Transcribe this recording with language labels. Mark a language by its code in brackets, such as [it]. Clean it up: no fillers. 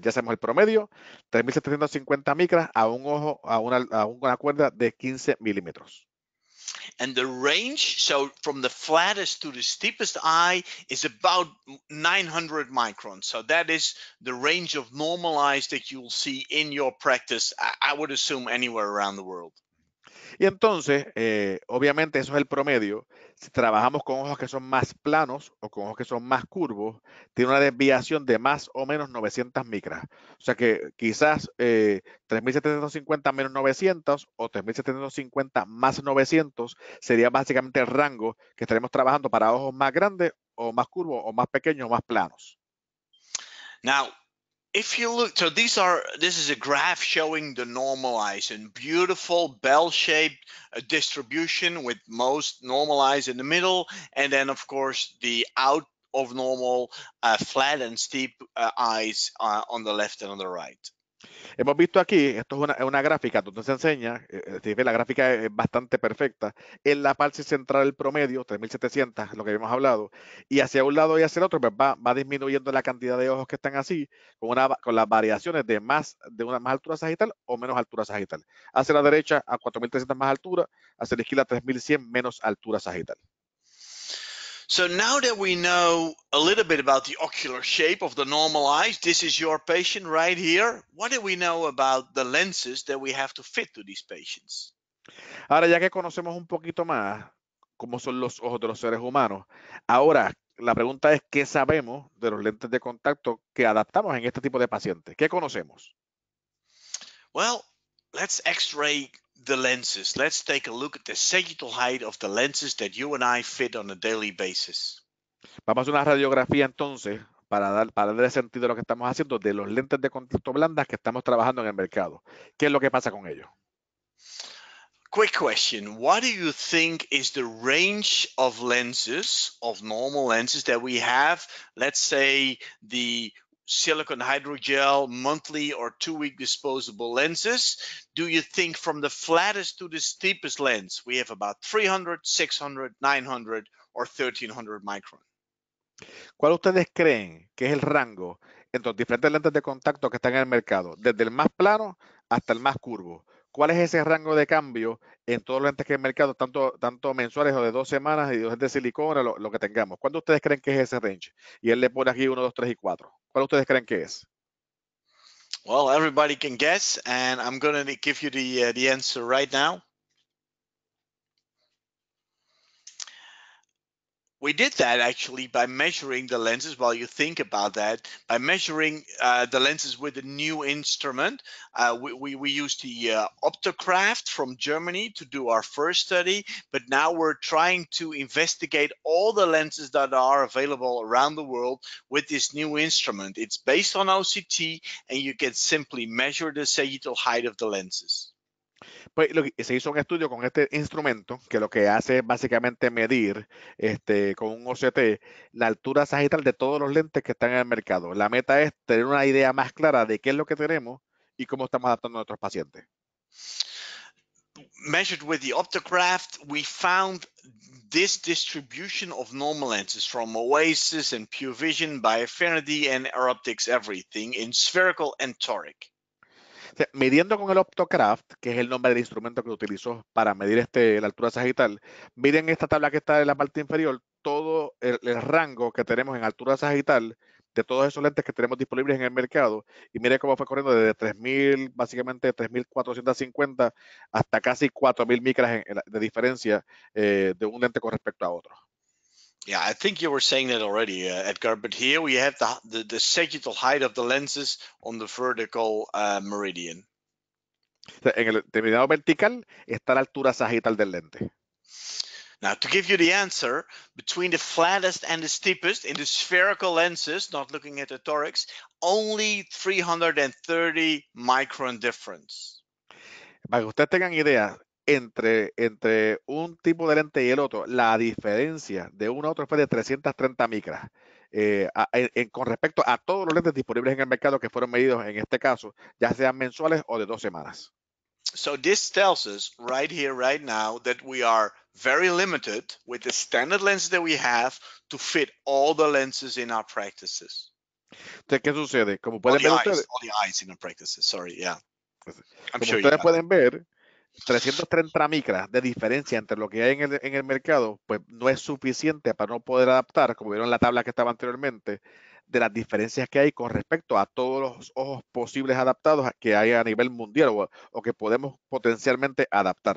[es] Ya sabemos el promedio, 3,750 micras a un ojo, a una cuerda de 15 milímetros. [en] And the range, so from the flattest to the steepest eye, is about 900 microns. So that is the range of normal eyes that you'll see in your practice, I would assume, anywhere around the world. [es] Y entonces, obviamente, eso es el promedio. Si trabajamos con ojos que son más planos o con ojos que son más curvos, tiene una desviación de más o menos 900 micras. O sea que quizás 3,750 menos 900 o 3,750 más 900 sería básicamente el rango que estaremos trabajando para ojos más grandes o más curvos o más pequeños o más planos. [en] Now, if you look, so this is a graph showing the normal eyes in beautiful bell-shaped distribution, with most normal eyes in the middle, and then of course the out of normal flat and steep eyes on the left and on the right. [es] Hemos visto aquí, esto es una gráfica donde se enseña, la gráfica es bastante perfecta, en la parte central el promedio, 3,700, lo que habíamos hablado, y hacia un lado y hacia el otro, pues va disminuyendo la cantidad de ojos que están así, con las variaciones de más altura sagital o menos altura sagital. Hacia la derecha a 4,300 más altura, hacia la izquierda 3,100 menos altura sagital. [en] So now that we know a little bit about the ocular shape of the normal eyes, this is your patient right here. What do we know about the lenses that we have to fit to these patients? [es] Ahora, ya que conocemos un poquito más cómo son los ojos de los seres humanos, ahora la pregunta es, ¿qué sabemos de los lentes de contacto que adaptamos en este tipo de pacientes? ¿Qué conocemos? [en] Well, let's x-ray the lenses. Let's take a look at the sagittal height of the lenses that you and I fit on a daily basis. [es] Vamos a hacer una radiografía entonces para darle sentido a lo que estamos haciendo de los lentes de contacto blandas que estamos trabajando en el mercado. ¿Qué es lo que pasa con ellos? [en] Quick question. What do you think is the range of lenses, of normal lenses that we have? Let's say the silicone hydrogel monthly or 2 week disposable lenses. Do you think from the flattest to the steepest lens, we have about 300, 600, 900 or 1300 micron? [es] ¿Cuál ustedes creen que es el rango entre los diferentes lentes de contacto que están en el mercado, desde el más plano hasta el más curvo? ¿Cuál es ese rango de cambio en todos los lentes que hay en el mercado, tanto mensuales o de 2 semanas y 2 de silicona, lo que tengamos? ¿Cuándo ustedes creen que es ese range? Y él le pone aquí 1, 2, 3 y 4. ¿Cuál ustedes creen que es? [en] Well, everybody can guess, and I'm going to give you the answer right now. We did that actually by measuring the lenses, while you think about that, by measuring the lenses with a new instrument. We used the Optocraft from Germany to do our first study, but now we're trying to investigate all the lenses that are available around the world with this new instrument. It's based on OCT and you can simply measure the sagittal height of the lenses. [es] Pues se hizo un estudio con este instrumento que lo que hace es básicamente medir con un OCT la altura sagital de todos los lentes que están en el mercado. La meta es tener una idea más clara de qué es lo que tenemos y cómo estamos adaptando a nuestros pacientes. [en] Measured with the Optocraft, we found this distribution of normal lenses from Oasis and Pure Vision, Biofinity and Aeroptics, everything in spherical and toric. [es] O sea, midiendo con el Optocraft, que es el nombre del instrumento que utilizó para medir la altura sagital, miren esta tabla que está en la parte inferior, todo el rango que tenemos en altura sagital de todos esos lentes que tenemos disponibles en el mercado, y miren cómo fue corriendo desde 3,000, básicamente 3,450 hasta casi 4,000 micras de diferencia de un lente con respecto a otro. [en] Yeah, I think you were saying that already, Edgar, but here we have the sagittal height of the lenses on the vertical meridian. [es] En el terminado vertical está la altura sagital del lente. [en] Now, to give you the answer, between the flattest and the steepest in the spherical lenses, not looking at the torics, only 330 micron difference. [es] Para que ustedes tengan idea, Entre un tipo de lente y el otro, la diferencia de uno a otro fue de 330 micras. Con respecto a todos los lentes disponibles en el mercado que fueron medidos en este caso, ya sean mensuales o de 2 semanas. [en] So this tells us right here, right now, that we are very limited with the standard lenses that we have to fit all the lenses in our practices. [es] Entonces, ¿qué sucede? Como pueden [en] all [es] ver ustedes. [en] Eyes, all the eyes in our practices, sorry, yeah. I'm [es] como [en] sure [es] ustedes pueden ver, 330 micras de diferencia entre lo que hay en el mercado, pues no es suficiente para no poder adaptar, como vieron en la tabla que estaba anteriormente, de las diferencias que hay con respecto a todos los ojos posibles adaptados que hay a nivel mundial o que podemos potencialmente adaptar.